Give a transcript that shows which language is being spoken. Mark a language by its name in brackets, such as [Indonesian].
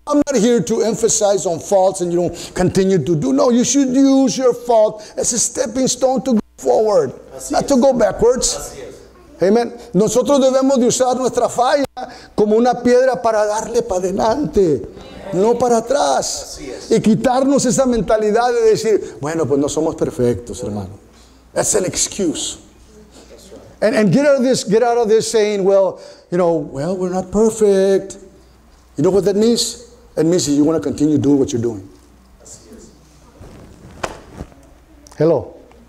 [English] I'm not here to emphasize on faults and you don't continue to do. No, you should use your fault as a stepping stone to go forward, not to go backwards. Amen. [Spanish] Nosotros debemos de usar nuestra falla como una piedra para darle para adelante, no para atrás. Y quitarnos esa mentalidad de decir, bueno, pues no somos perfectos, hermano. [English] That's an excuse. And get out of this saying, well, we're not perfect. You know what that means? It means you want to continue doing what you're doing. Hello.